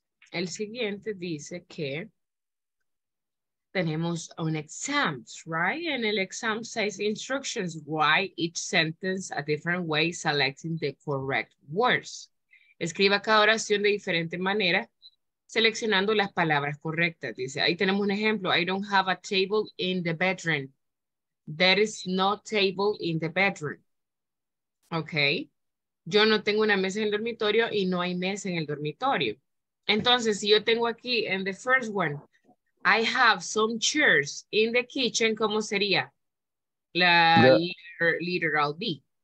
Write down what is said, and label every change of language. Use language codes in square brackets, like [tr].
[es] El siguiente dice que tenemos un exam, right? [en] And el exam says instructions why each sentence a different way selecting the correct words. [es] Escriba cada oración de diferente manera seleccionando las palabras correctas. Dice, ahí tenemos un ejemplo. [en] I don't have a table in the bedroom. There is no table in the bedroom. Okay. [es] Yo no tengo una mesa en el dormitorio y no hay mesa en el dormitorio. Entonces, si yo tengo aquí en [en] the first one, I have some chairs in the kitchen, [es] ¿cómo sería la literal B?